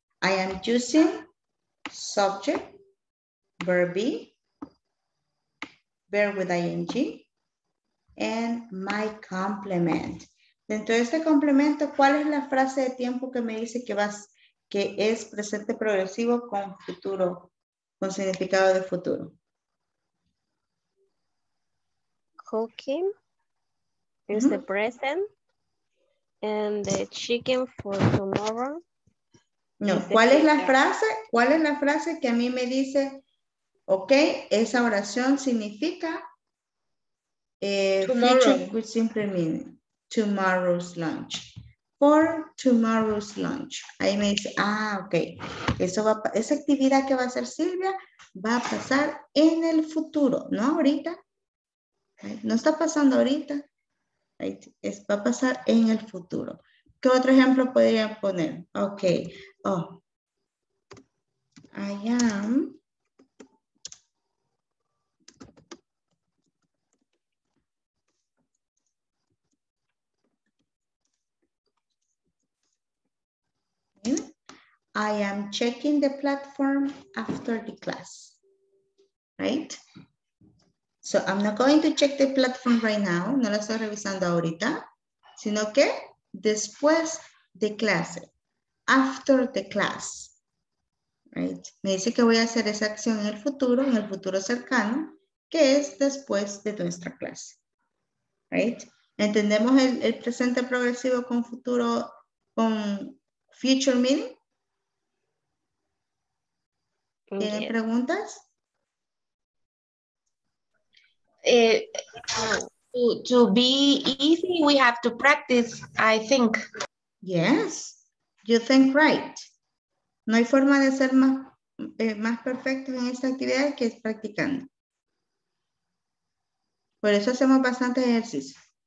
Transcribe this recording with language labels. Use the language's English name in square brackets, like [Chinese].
[English] I am using subject, verb be, verb with ing, and my complement. [Spanish] Dentro de este complemento, ¿cuál es la frase de tiempo que me dice que vas, que es presente progresivo con futuro, con significado de futuro? [English] Cooking is the present, and the chicken for tomorrow. [Spanish] No, ¿cuál es la frase? ¿Cuál es la frase que a mí me dice, ok, esa oración significa [English] future simple meaning, tomorrow's lunch, [Spanish] for tomorrow's lunch? Ahí me dice, ah, ok, eso va, esa actividad que va a hacer Silvia va a pasar en el futuro, no ahorita, no está pasando ahorita, es, va a pasar en el futuro. ¿Qué otro ejemplo podría poner? Ok. [English] Oh, I am checking the platform after the class, right? So I'm not going to check the platform right now, [Spanish] no la estoy revisando ahorita, sino que después de clase. [English] After the class, right? [Spanish] Me dice que voy a hacer esa acción en el futuro cercano, que es después de nuestra clase, [English] right? [Spanish] ¿Entendemos el presente progresivo con futuro, con [English] future meaning? [Spanish] ¿Tienen preguntas? [English] To be easy, we have to practice, I think. Yes. You think right. [Spanish] No hay forma de ser más, más perfecto en esta actividad que es practicando. Por eso hacemos bastante ejercicio.